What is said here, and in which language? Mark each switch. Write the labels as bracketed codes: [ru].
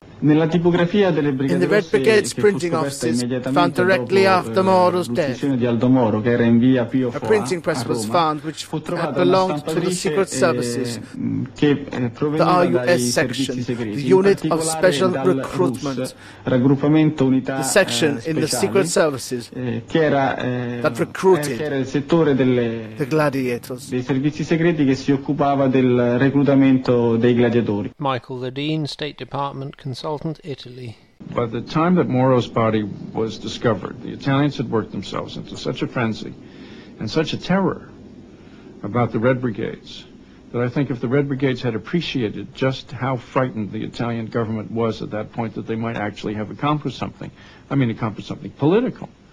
[en] In the Red Brigade's printing offices, found directly after Moro's death, a printing press was found which had belonged to the Secret Services, the RUS section, the Unit of Special Recruitment, the section in the Secret Services that recruited the gladiators. [it] Dei servizi segreti che si occupava del reclutamento dei gladiatori. [en] Michael Ledeen, State Department consultant. Italy. By the time that Moro's body was discovered, the Italians had worked themselves into such a frenzy and such a terror about the Red Brigades that I think if the Red Brigades had appreciated just how frightened the Italian government was at that point, that they might actually have accomplished something political.